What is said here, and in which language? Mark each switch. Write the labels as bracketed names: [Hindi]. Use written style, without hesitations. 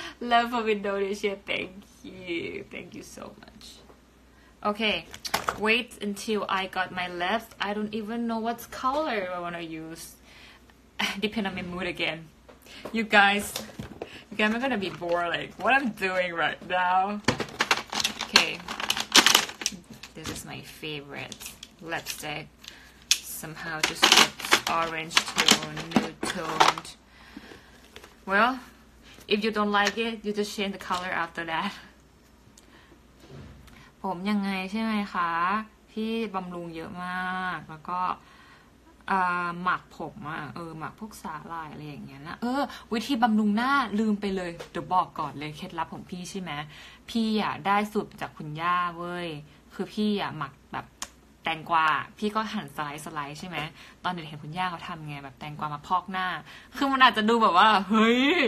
[English] Love from Indonesia Thank you so much Okay Wait until I got my left I don't even know what color I want to use Depend on my mood again You guys are gonna be bored like what I'm doing right now Okay This is my favorite lipstick Somehow just looks orange tone Nude toned. Well, if you don't like it, you just change the color after that. [Thai] ผมยังไงใช่ไหมคะพี่บำรุงเยอะมากแล้วก็หมักผมอะหมักพวกสาหร่ายอะไรอย่างเงี้ยนะวิธีบำรุงหน้าลืมไปเลยเดี๋ยวบอกก่อนเลยเคล็ดลับของพี่ใช่ไหมพี่อะได้สูตรจากคุณย่าเว้ยคือพี่อะหมักแบบแตงกวาพี่ก็หั่นสไลซ์ใช่ไหมตอนเด็กเห็นคุณย่าเขาทำไงแบบแตงกวามาพอกหน้าคือมันอาจจะดูแบบว่าเฮ้ย